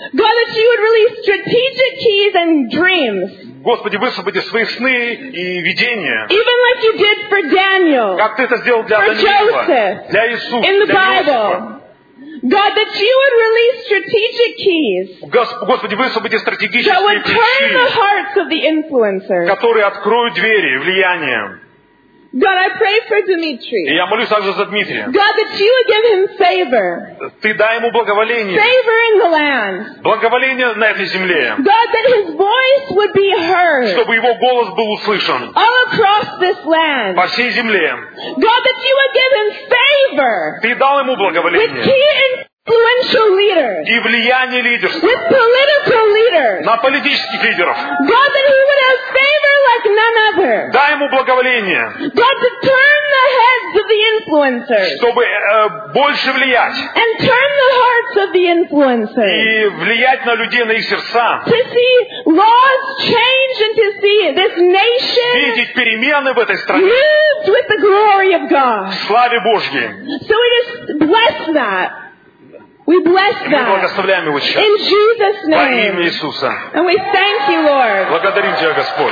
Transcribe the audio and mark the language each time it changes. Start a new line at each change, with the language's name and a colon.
English: God, that you would release strategic keys and dreams,
Russian: Господи, высвободи свои сны и видения,
English: even like you did for Daniel,
Russian: как ты это сделал для Даниила,
English: Joseph,
Russian: для Иисуса,
English: in the Bible. God, that you would release keys
Russian: Господи, высвободи стратегические
English: that would turn
Russian: ключи,
English: the hearts of the influencers.
Russian: Которые откроют двери, влияние.
English: God, I pray for Dmitry.
Russian: Я молюсь также за Дмитрия.
English: God, that you would give him favor.
Russian: Ты дай ему благоволение.
English: Favor in the land.
Russian: Благоволение на этой земле.
English: God, that his voice would be heard.
Russian: Чтобы его голос был услышан.
English: All across this land.
Russian: По всей земле.
English: God, that you would give him favor.
Russian: Ты дал ему благоволение.
English: With key influential leaders.
Russian: И влияние лидерства.
English: With political leaders.
Russian: На политических лидеров.
English: God, that he would have favor.
Russian: Дай ему благоволение.
English: God, to turn the heads of the influencers.
Russian: Чтобы больше влиять.
English: And turn the hearts of the influencers.
Russian: И влиять на людей, на их сердца.
English: To see laws change and to see this nation.
Russian: Видеть перемены в этой стране.
English: Moved with the glory of God.
Russian: В славе Божьей.
English: So we just bless that. We bless that.
Russian: Мы благословляем его сейчас.
English: In Jesus' name.
Russian: Во имя Иисуса.
English: And we thank you, Lord.
Russian: Благодарим тебя, Господь.